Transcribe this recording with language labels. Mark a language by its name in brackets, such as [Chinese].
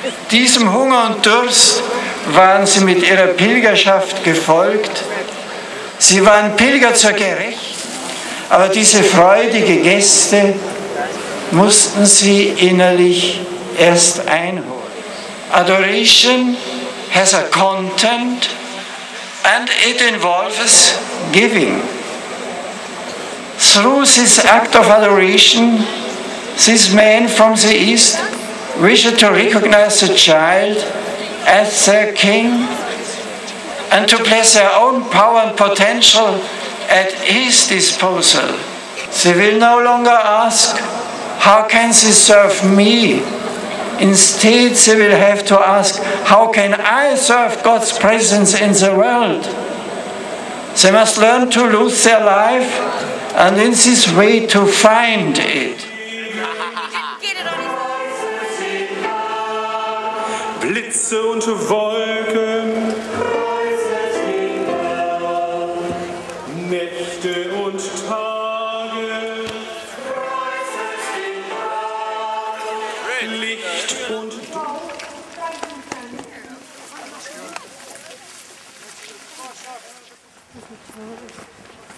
[German] Diesem Hunger und Durst waren sie mit ihrer Pilgerschaft gefolgt. Sie waren Pilger zur Gerechtigkeit, aber diese freudige Gäste mussten sie innerlich erst einholen. [English] Adoration has a content and it involves giving. Through this act of adoration, this man from the East wished to recognize the child as their king and to place their own power and potential at his disposal. They will no longer ask, how can they serve me? Instead, they will have to ask, how can I serve God's presence in the world? They must learn to lose their life and in this way to find it. [German] Blitze und Wolken, Nächte und Tage, Licht und Dunkel.